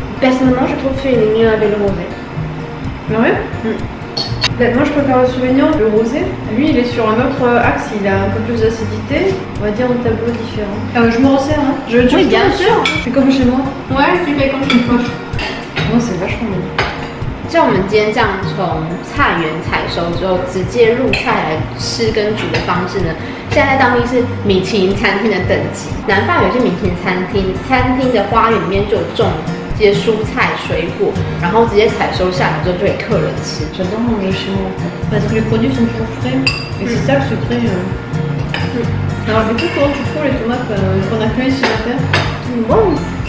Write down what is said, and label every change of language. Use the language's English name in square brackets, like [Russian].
[French] Personnellement, je trouve qu'il est mieux avec le rosé. Vraiment? Mm. Ben, moi, je préfère le souvenir, le rosé. Lui, il est sur un autre axe, il a un peu plus d'acidité. On va dire un tableau différent. Je me resserre, hein. Je oui, bien sûr. Sûr. C'est comme chez moi. Ouais, tu fais comme chez moi. Moi, c'est vachement bien. [Chinese] 像我们今天这样从菜园采收之后直接入菜来吃跟煮的方式呢，现在当地是米其林餐厅的等级。南法有些米其林餐厅，餐厅的花园里面就种这些蔬菜水果，然后直接采收下来之后就给客人吃。 [French] J'adore manger chez moi parce que les produits sont toujours frais et c'est ça le secret. Alors du coup, comment tu trouves les tomates qu'on a cueillies ce matin?